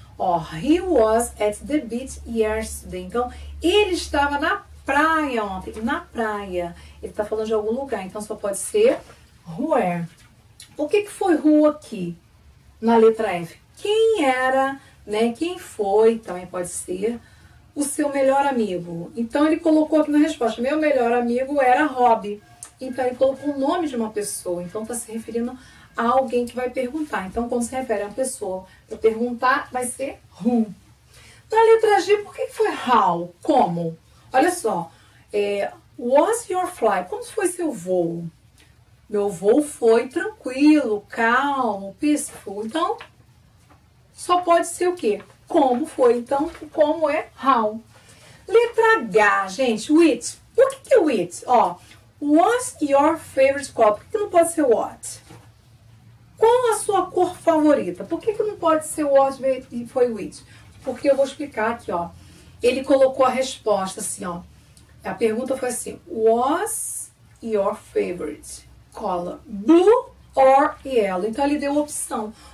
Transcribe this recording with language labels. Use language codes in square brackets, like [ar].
[en] Ó, he was at the beach yesterday. [pt] Então, ele estava na praia ontem, na praia. Ele tá falando de algum lugar, então só pode ser where. O que que foi who aqui na letra F? Quem era, né? Quem foi, também pode ser o seu melhor amigo. Então ele colocou aqui na resposta, meu melhor amigo era Rob. Então ele colocou o nome de uma pessoa, então tá se referindo a alguém que vai perguntar. Então quando se refere a uma pessoa para perguntar, vai ser who. Na letra G, por que que foi how? Como? Olha só, [en] was your flight? [pt] Como foi seu voo? Meu voo foi tranquilo, calmo, peaceful. Então, só pode ser o quê? Como foi? Então, como é how? Letra H, gente, which. Por que é which? [en] Ó, what's your favorite color? [pt] Por que não pode ser what? Qual a sua cor favorita? Por que não pode ser what e foi which? Porque eu vou explicar aqui, ó. Ele colocou a resposta assim, ó. A pergunta foi assim: [en] was your favorite color blue or yellow? [pt] Então ele deu opção.